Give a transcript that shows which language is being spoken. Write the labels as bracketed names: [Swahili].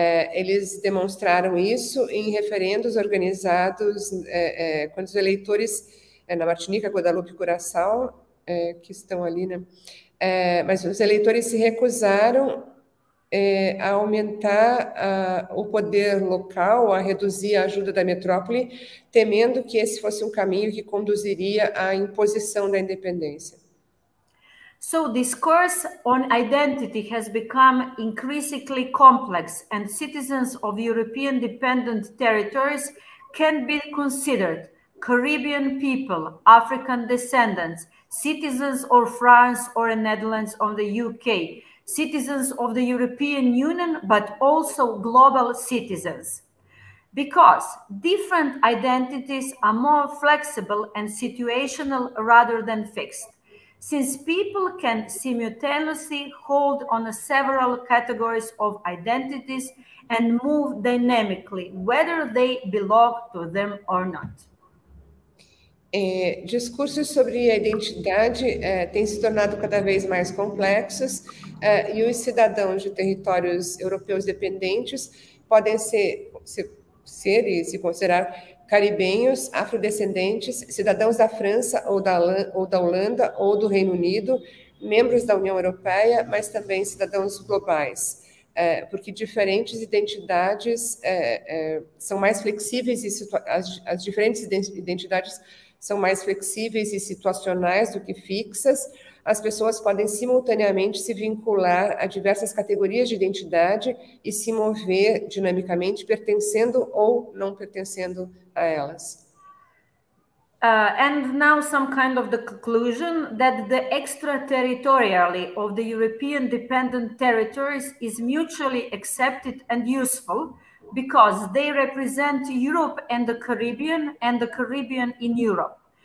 [Portuguese] Eles demonstraram isso em referendos organizados quando os eleitores na Martinica, Guadalupe e Curaçao que estão ali, né? Mas os eleitores se recusaram a aumentar o poder local, a reduzir a ajuda da metrópole, temendo que esse fosse um caminho que conduziria à imposição da independência. [English] So, discourse on identity has become increasingly complex, and citizens of European dependent territories can be considered Caribbean people, African descendants, citizens of France or Netherlands or the UK, citizens of the European Union, but also global citizens. Because different identities are more flexible and situational rather than fixed. Since people can simultaneously hold on several categories of identities and move dynamically, whether they belong to them or not. [Portuguese] Discursos sobre a identidade têm se tornado cada vez mais complexos e os cidadãos de territórios europeus dependentes podem se considerar caribenhos, afrodescendentes, cidadãos da França ou da Holanda ou do Reino Unido, membros da União Europeia, mas também cidadãos globais, porque diferentes identidades são mais flexíveis, e as diferentes identidades são mais flexíveis e situacionais do que fixas. As pessoas podem simultaneamente se vincular a diversas categorias de identidade e se mover dinamicamente, pertencendo ou não pertencendo a elas. [English] And now some kind of the conclusion that the extraterritoriality of the European dependent territories is mutually accepted and useful because they represent Europe and the Caribbean in Europe.